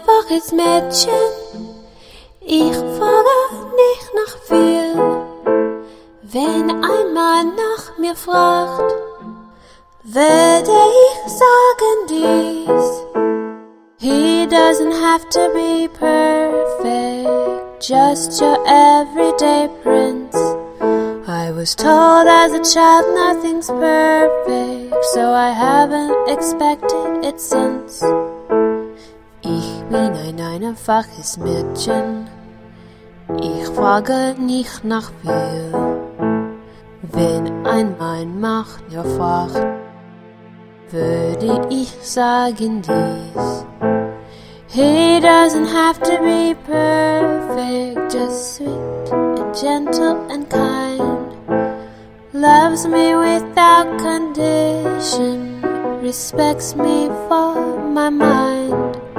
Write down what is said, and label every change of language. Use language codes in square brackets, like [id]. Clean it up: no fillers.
[de] jetzt Mädchen, ich frage nicht nach viel. Wenn ein Mann nach mir fragt, werde ich sagen dies. [en] He doesn't have to be perfect, just your everyday prince. I was told as a child nothing's perfect, so I haven't expected it since. [de] Ich bin ein einfaches Mädchen, ich frage nicht nach viel. Wenn ein Mann nach mir fragt, würde ich sagen dies. [en] He doesn't have to be perfect, just sweet and gentle and kind. Loves me without condition, respects me for my mind.